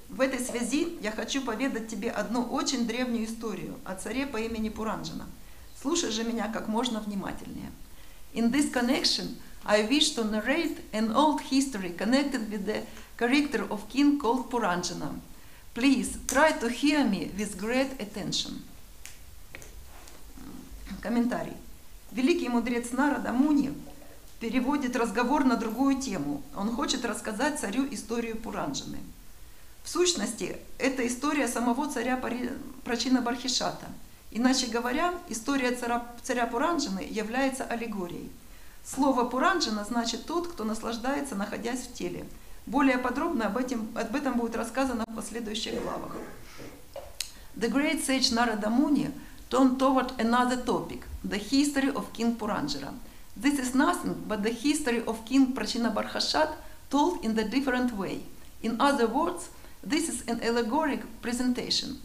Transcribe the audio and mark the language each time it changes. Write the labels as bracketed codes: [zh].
[ru] В этой связи я хочу поведать тебе одну очень древнюю историю о царе по имени Пуранджана. Слушай же меня как можно внимательнее. [en] In this connection, I wish to narrate an old history connected with the character of king called Puranjana. Please try to hear me with great attention. [ru] Комментарий. Великий мудрец Нарада Муни переводит разговор на другую тему. Он хочет рассказать царю историю Пуранджаны. В сущности, это история самого царя Прачинабархишата. Иначе говоря, история царя Пуранджаны является аллегорией. Слово «Пуранджана» значит «тот, кто наслаждается, находясь в теле». Более подробно об этом будет рассказано в последующих главах. [en] The great sage Narada Muni turned toward another topic – the history of King Puranjana. This is nothing but the history of King Prachinabarhashat told in a different way. In other words, this is an allegoric presentation.